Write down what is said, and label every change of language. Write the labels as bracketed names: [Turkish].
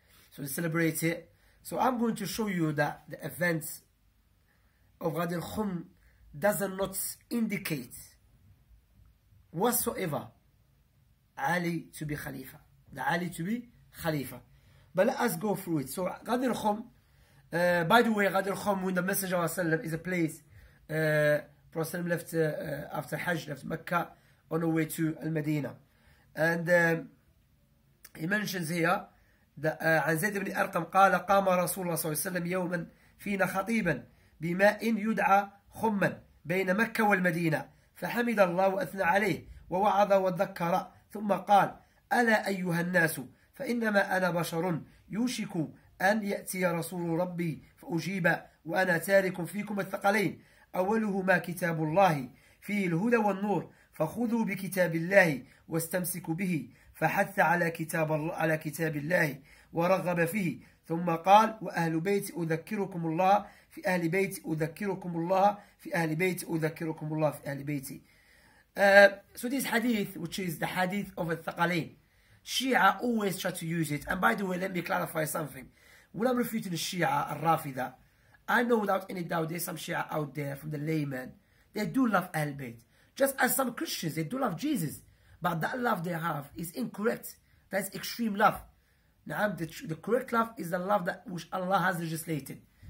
[English] So they celebrate it. So I'm going to show you that the events of Ghadir Khumm does not indicate whatsoever Ali to be Khalifa. The Ali to be Khalifa. But let us go through it. So Ghadir Khumm, by the way, Ghadir Khumm, when the Messenger of Allah is a place, Prophet left after Hajj, left Mecca on the way to Al-Madina. And he mentions here that [Arabic] عن زيد بن أرقم قال قام رسول الله صلى الله عليه وسلم يوما فينا خطيبا بماء يدعى خما بين مكة والمدينة فحمد الله وأثنى عليه ووعظ وذكر ثم قال ألا أيها الناس فإنما أنا بشر يوشك أن يأتي رسول ربي فأجيب وأنا تارك فيكم الثقلين أولهما كتاب الله فيه الهدى والنور فخذوا بكتاب الله واستمسكوا به فحث على كتاب الله ورغب فيه ثم قال وأهل بيت أذكركم الله في أهل بيت أذكركم الله في أهل بيت أذكركم الله في أهل بيتي [English] so this hadith which is the hadith of al-Thaqalayn Shi'ah always try to use it. And by the way, let me clarify something. When I'm refuting the Shi'ah, al-Rafida, I know without any doubt there's some Shi'ah out there from the layman. They do love Al-Bayt. Just as some Christians, they do love Jesus. But that love they have is incorrect. That's extreme love. Now, the correct love is the love that which Allah has legislated.